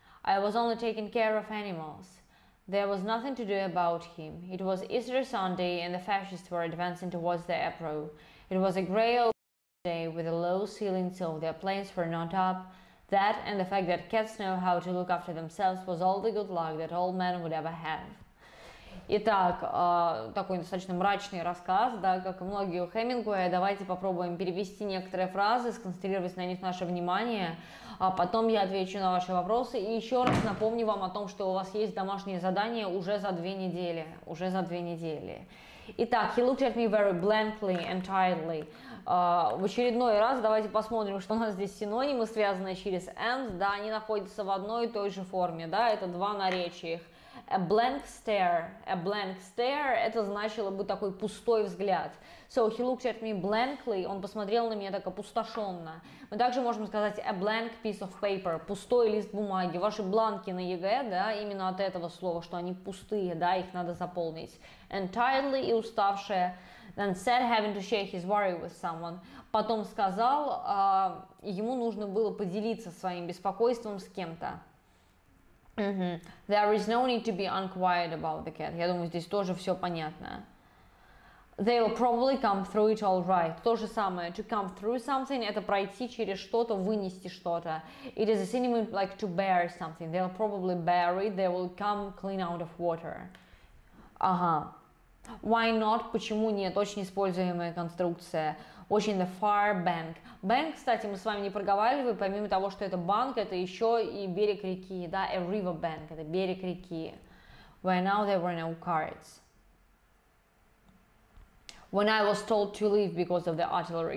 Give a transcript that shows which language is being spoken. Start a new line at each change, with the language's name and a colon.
English: I was only taking care of animals. There was nothing to do about him. It was Easter Sunday, and the fascists were advancing towards the Ebro. It was a grey old day with a low ceiling, so their planes were not up. That and the fact that cats know how to look after themselves was all the good luck that all men would ever have.
Russian: Итак, такой достаточно мрачный рассказ, да, как и многие у Хемингуэя. Давайте попробуем перевести некоторые фразы, сконцентрировать на них наше внимание, а потом я отвечу на ваши вопросы. И еще раз напомню вам о том, что у вас есть домашнее задание уже за две недели. Уже за две недели. Итак,
English: he looked at me very blankly and tiredly.
Russian: В очередной раз давайте посмотрим, что у нас здесь синонимы, связанные через and, да, они находятся в одной и той же форме, да, это два наречия их.
English: A blank stare,
Russian: это значило бы такой пустой взгляд.
English: So he looked at me blankly,
Russian: он посмотрел на меня так опустошенно. Мы также можем сказать
English: a blank piece of paper,
Russian: пустой лист бумаги. Ваши бланки на ЕГЭ, да, именно от этого слова, что они пустые, да, их надо заполнить.
English: And tiredly
Russian: и уставшая.
English: Then said having to share his worry with someone.
Russian: Потом сказал, ему нужно было поделиться своим беспокойством с кем-то.
English: Mm-hmm. There is no need to be unquiet about the cat.
Russian: Я думаю, здесь тоже все понятно.
English: They will probably come through it all right.
Russian: То же самое.
English: To come through something
Russian: – это пройти через что-то, вынести что-то.
English: It is a synonym like to bear something. They will probably bear it. They will come clean out of water. Ага. Why not?
Russian: Почему нет? Очень используемая конструкция. Очень
English: the far bank.
Russian: Bank, кстати, мы с вами не проговаривали, помимо того, что это банк, это еще и берег реки, да,
English: a river bank,
Russian: это берег реки.
English: Where now there were no cards. When I was told to leave because of the artillery.